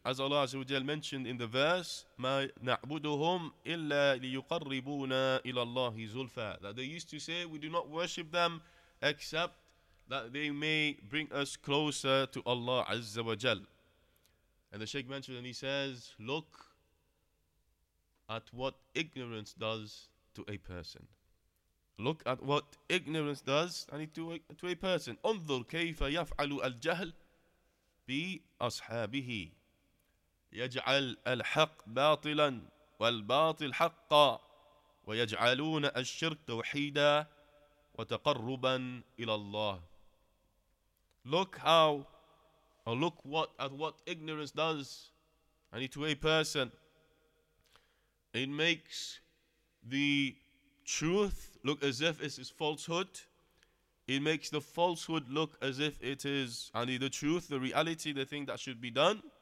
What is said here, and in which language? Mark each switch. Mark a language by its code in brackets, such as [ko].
[en] As Allah Azza wa Jal mentioned in the verse, [ar] مَا نَعْبُدُهُمْ إِلَّا لِيُقَرِّبُونَ إِلَى اللَّهِ زُلْفَى, [en] that they used to say, we do not worship them except that they may bring us closer to Allah Azza wa Jal. And the Shaykh mentioned and he says, look at what ignorance does to a person. Look at what ignorance does to a person. [ar] انظر كيف يفعل الجهل بأصحابه يجعل الحق باطلا والباطل حقا ويجعلون الشرك توحيدا وتقربا إلى الله. [en] Look at what ignorance does to a person. It makes the truth look as if it is falsehood. It makes the falsehood look as if it is the truth, the reality, the thing that should be done.